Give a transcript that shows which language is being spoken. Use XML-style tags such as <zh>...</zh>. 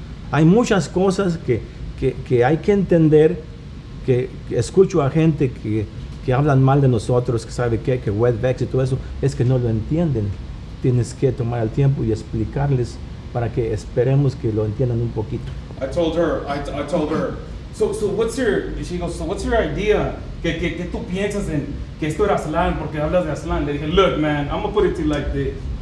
<es>Hay muchas cosas que hay que entender, que escucho a gente que hablan mal de nosotros, que sabe qué, que wetbacks y todo eso, es que no lo entienden. Tienes que tomar el tiempo y explicarles para que esperemos que lo entiendan un poquito.</es> <en>I told her. So what's your, she goes, so what's your idea?</en> <es>¿Qué tú piensas en que esto era Aslan? Porque hablas de Aslan. Le dije,</es> <en>look, man, I'm gonna put it to you like this.</en>